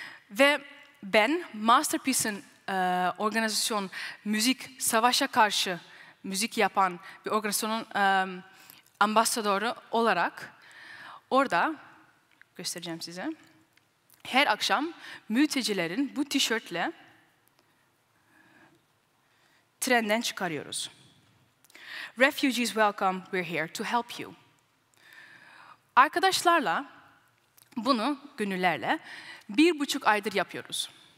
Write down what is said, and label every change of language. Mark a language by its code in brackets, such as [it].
[tr] Ve ben Masterpiece'in organizasyon, müzik, savaşa karşı müzik yapan bir organizasyonun ambasadörü olarak orada, göstereceğim size, her akşam mültecilerin bu tişörtle trenden çıkarıyoruz. [en] Refugees welcome, we're here to help you. [tr] Arkadaşlarla bunu gönüllerle 1,5 aydır yapıyoruz.